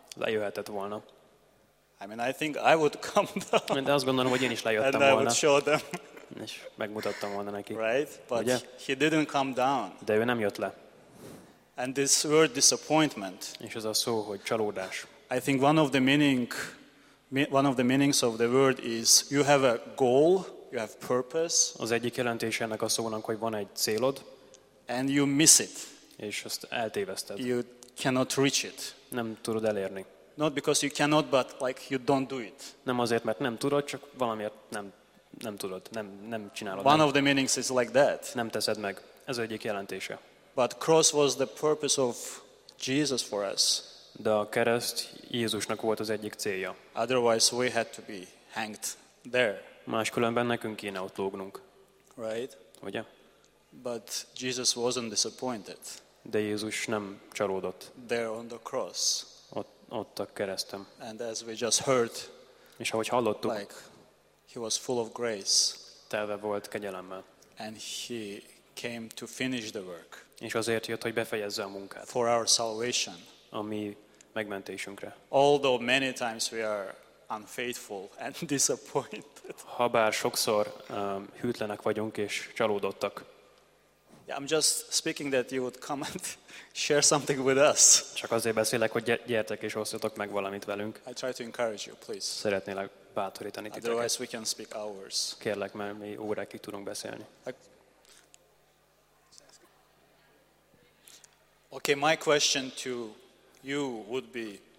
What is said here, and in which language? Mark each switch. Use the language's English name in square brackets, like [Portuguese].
[Hungarian] Lejöhetett volna. [English] I think I would come down. [Hungarian] De azt gondolom, hogy én is lejöttem [English] and [Hungarian] volna. [English] I would show them. [Hungarian] És megmutattam volna neki. [English] Right? But [Hungarian] ugye? [English] He didn't come down. [Hungarian] De ő nem jött le. [English] And this word disappointment. [Hungarian] És ez a szó, hogy csalódás. [English] I think one of the meanings of the word is you have a goal, you have purpose. [Hungarian] Az egyik jelentése ennek a szónak, hogy van egy célod. [English] And you miss it. [Hungarian] És azt eltéveszted. [English] You cannot reach it. [Hungarian] Nem tudod elérni. [English] Not because you cannot, but like you don't do it. [Hungarian] Nem azért, mert nem tudod, csak valamiért nem tudod, nem csinálod. [English] One [Hungarian] nem. [English] Of the meanings is like that. [Hungarian] Nem teszed meg. Ez egyik jelentése. [English] But cross was the purpose of Jesus for us. [Hungarian] De a kereszt Jézusnak volt az egyik célja. [English] Otherwise we had to be hanged there. [Hungarian] Máskülönben nekünk kéne ott lógnunk. [English] Right? [Hungarian] Ugye? [English] But Jesus wasn't disappointed. [Hungarian] De Jézus nem csalódott. [English] There on the cross. [Hungarian] Ott a kereszten. [English] And as we just heard. [Hungarian] És ahogy hallottuk. [English] Like he was full of grace. [Hungarian] Telve volt kegyelemmel. [English] And he came to finish the work. [Hungarian] És azért jött, hogy befejezze a munkát. [English] For our salvation. [Hungarian] A mi megmentésünkre. [English] Although many times we are unfaithful and disappointed. [Hungarian] Habár sokszor hűtlenek vagyunk és csalódottak. [English] Yeah, I'm just speaking that you would come and share something with us. [Hungarian] Csak azért beszélek, hogy gyertek és osztjatok meg valamit velünk. [English] I try to encourage you, please. [Hungarian] Szeretnélek bátorítani titeket. [English] Otherwise we can speak hours. [Hungarian] Kérlek, mert mi órákig tudunk beszélni. [English] Okay, my question to you would be.